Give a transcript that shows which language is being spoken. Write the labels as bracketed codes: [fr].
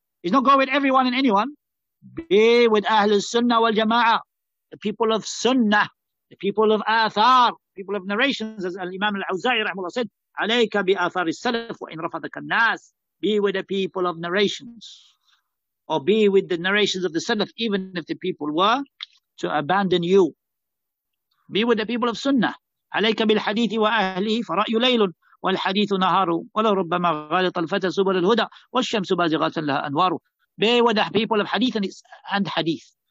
[en] He's not going with everyone and anyone. Be with Ahlul Sunnah wal Jama'ah, the people of Sunnah, the people of Athar, people of narrations, as Imam Al-Awza'i rahimahullah said, [ar] Alayka bi Athar al-Salaf wa in rafadaka al-Nas. [en] Be with the people of narrations. Or be with the narrations of the Salaf, even if the people were to abandon you. Be with the people of Sunnah. [ar] Alayka bil hadith wa ahlihi fa ra'yu laylun. والحديث نهار ولو ربما غالط الفتى سبل الهدى والشمس بازغة لها أنوار. [en] Be with the people of hadith and hadith.